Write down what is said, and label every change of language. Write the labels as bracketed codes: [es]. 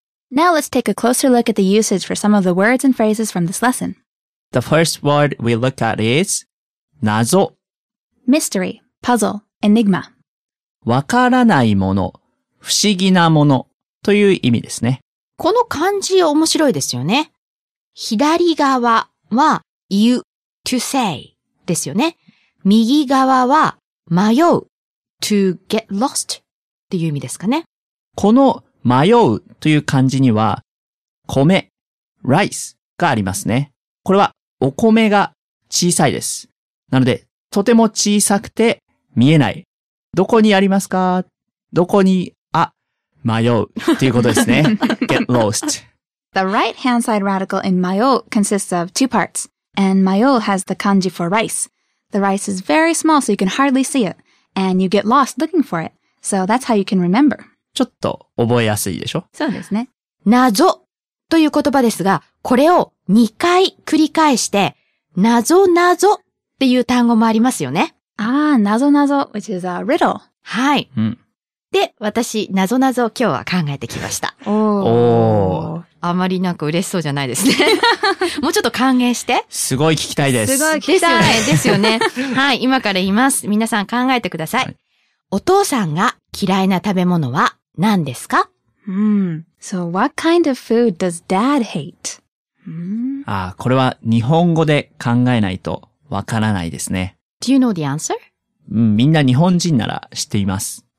[en] Now let's take a closer look at the usage for some of the words and phrases from this lesson. The first word we look at is 謎 Mystery, puzzle, enigma [ja] わからないもの、不思議なものという意味ですね。この漢字面白いですよね。左側は you to say ですよね。右側は迷う to get lost っていう意味ですかね。この迷うという漢字には米 rice がありますね。これはお米が小さいです。なのでとても小さくて見えない。どこにありますか？どこに迷うということですね。 [en] get lost。 The right-hand side radical in 迷う consists of two parts, and 迷う has the kanji for rice. The rice is very small, so you can hardly see it, and you get lost looking for it. So that's how you can remember. [ja] ちょっと覚えやすいでしょ？そうですね。謎という言葉ですが、これを2回繰り返して、謎謎っていう単語もありますよね。 [en] ああ、謎謎 which is a riddle. [ja] はい。うん。で、私、謎謎を今日は考えてきました。おー。あまりなんか嬉しそうじゃないですね。もうちょっと歓迎して。すごい聞きたいです。すごい聞きたい。ですよね。ですよね。はい、今から言います。皆さん考えてください。はい、お父さんが嫌いな食べ物は何ですか？ [en] So, what kind of food does dad hate? [ja] ああ、これは日本語で考えないとわからないですね。 [en] Do you know the answer? [ja] みんな日本人なら知っています。